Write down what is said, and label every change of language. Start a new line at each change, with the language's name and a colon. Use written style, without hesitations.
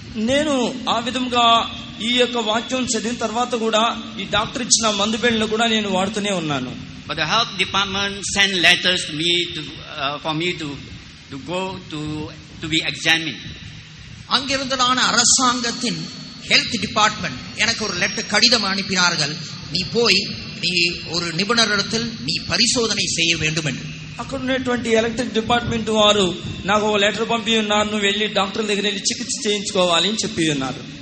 Telugu: నేను ఆ విధంగా ఈ యొక్క వాక్యం చదివిన తర్వాత కూడా ఈ డాక్టర్ ఇచ్చిన మందు బిళ్ళను కూడా నేను వాడుతూనే ఉన్నాను.
English: But the health department sent letters to me for me to go to be examined.
Tamil: அங்கிருந்தான அரசாங்கத்தின் ஹெல்த் டிபார்ட்மெண்ட் எனக்கு ஒரு லெட்டர் கடிதம் அனுப்பினார்கள். நீ போய் நீ ஒரு நிபுணரிடத்தில் நீ பரிசோதனை செய்ய வேண்டும் என்று.
Telugu: అక్కడ ఉన్నటువంటి ఎలక్ట్రిక్ డిపార్ట్మెంట్ వారు నాకు ఒక లెటర్ పంపి ఉన్నారు, నువ్వు వెళ్ళి డాక్టర్ దగ్గర వెళ్ళి చికిత్స చేయించుకోవాలి అని చెప్పి ఉన్నారు.